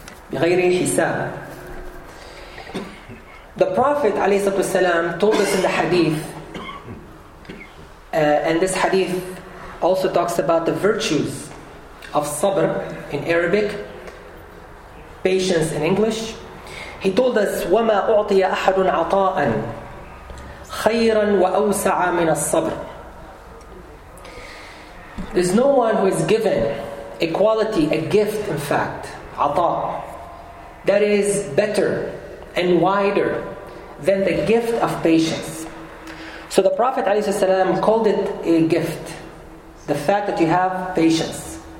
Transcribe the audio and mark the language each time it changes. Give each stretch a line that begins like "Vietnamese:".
Arabic: بِغَيْرِ حِسَابٍ.
English: The Prophet ﷺ told us in the hadith, and this hadith also talks about the virtues of sabr in Arabic, patience in English. He told us,
Arabic: وَمَا أُعْطِيَ أَحَدٌ عَطَاءً خَيْرًا وَأَوْسَعَ مِنَ الصَّبْرِ.
English: There's no one who is given a quality, a gift in fact, عَطَاء, that is better and wider than the gift of patience. So the Prophet ﷺ called it a gift, the fact that you have patience.